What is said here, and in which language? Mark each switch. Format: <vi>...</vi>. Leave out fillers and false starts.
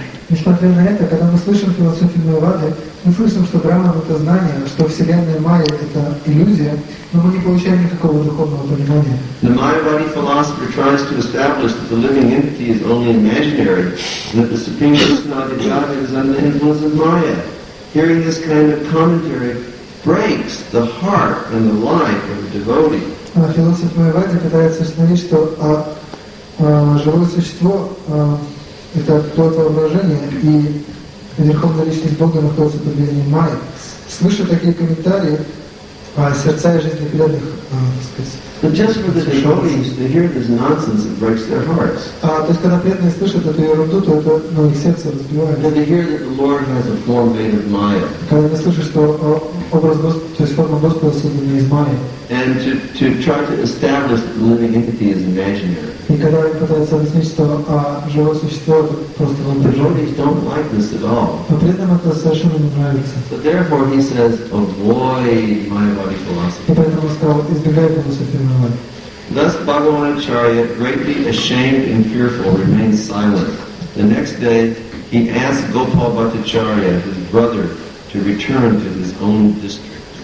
<ru>Несмотря на это, когда мы слышим философию Майявады, мы слышим, что Брахман — это знание, что Вселенная Майя — это иллюзия, но мы не получаем никакого духовного понимания.</ru> <en>The Mayavadi philosopher tries to establish that the living entity is only imaginary, and that the Supreme Personality of God is under the influence of Maya. Hearing this kind of commentary breaks the heart and the life of a devotee.</en> <ru>Философ Майявады пытается установить, что живое существо это плод воображения, и Верховная Личность Бога находится под влиянием Майя. Слышу такие комментарии о сердца и жизни преданных, то есть, когда преданные слышат эту ерунду, то это их сердце разбивается. Когда они слышат, что образ Господа, то есть форма Господа создана из Майя. И когда они пытаются объяснить, что живое существо это просто воображение, то преданным это совершенно не нравится.</ru> <en>So therefore he says, avoid Mayavadi philosophy.</en> <ru>И поэтому он сказал, избегай философии Майявады.</ru> <en>Thus Bhagavan Acharya, greatly ashamed and fearful, remained silent. The next day he asked Gopal Bhattacharya, his brother, to return to his own district.</en>